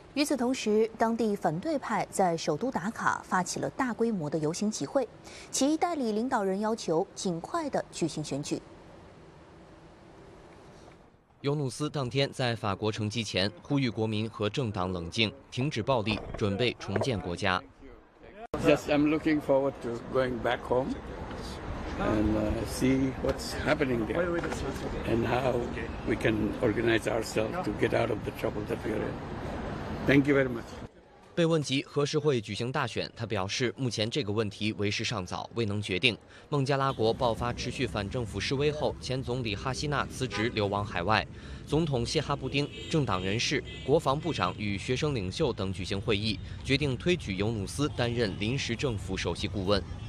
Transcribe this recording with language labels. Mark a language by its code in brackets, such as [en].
[zh] 与此同时，当地反对派在首都达卡发起了大规模的游行集会，其代理领导人要求尽快的举行选举。尤努斯当天在法国乘机前呼吁国民和政党冷静，停止暴力，准备重建国家。 [en] Just, I'm looking forward to going back home and see what's happening there and how we can organize ourselves to get out of the trouble that we're in. Thank you very much. [zh] 被问及何时会举行大选，他表示目前这个问题为时尚早，未能决定。孟加拉国爆发持续反政府示威后，前总理哈希纳辞职流亡海外，总统谢哈布丁、政党人士、国防部长与学生领袖等举行会议，决定推举尤努斯担任临时政府首席顾问。